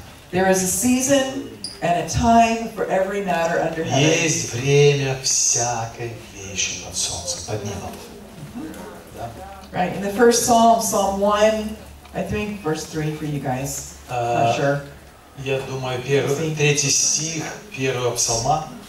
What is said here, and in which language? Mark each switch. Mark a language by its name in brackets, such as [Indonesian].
[English] There is a season and a time for every matter under heaven. [Russian] Есть время всякой вещи под солнцем, под небом. [English] Right, in the first Psalm 1, I think, verse 3 for you guys, I'm not sure. [Russian] Я думаю, третий стих первого псалма.